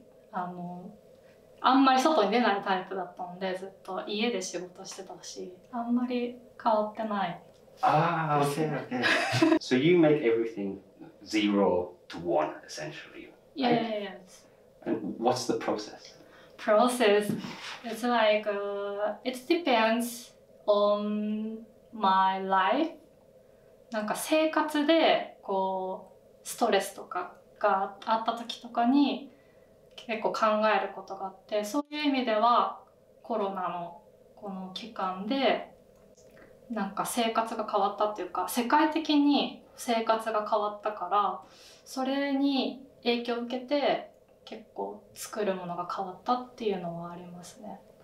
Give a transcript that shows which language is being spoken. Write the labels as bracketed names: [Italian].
[Japanese] あんまり外に出ないタイプだったんで、ずっと家で仕事してたし、あんまり変わってない。 [English] Ah, okay, okay. So you make everything zero to one, essentially. Yeah, yeah, yeah. And what's the process? Process, it's like, it depends on my life. [Japanese] なんか生活でこうストレスとかがあった時とかに結構考えることがあって、そういう意味ではコロナのこの期間でなんか生活が変わったっていうか、世界的に生活が変わったから、それに影響を受けて結構作るものが変わったっていうのはありますね。